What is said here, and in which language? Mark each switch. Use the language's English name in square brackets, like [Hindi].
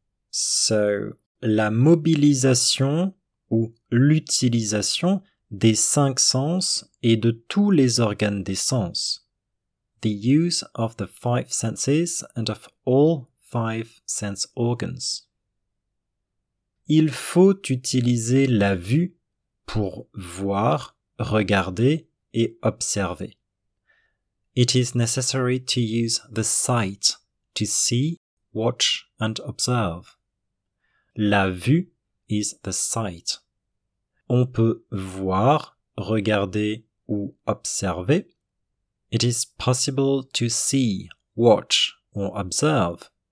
[French] So, la mobilisation ou l'utilisation des 5 sens et de tous les organes des sens. [English] the use of the five senses and of all five sense organs. [French] Il faut utiliser la vue pour voir, regarder et observer. [English] It is necessary to use the sight to see, watch and observe. [French] La vue [English] is the sight. [French] On peut voir, regarder ou observer. [English] It is possible to see, watch or observe.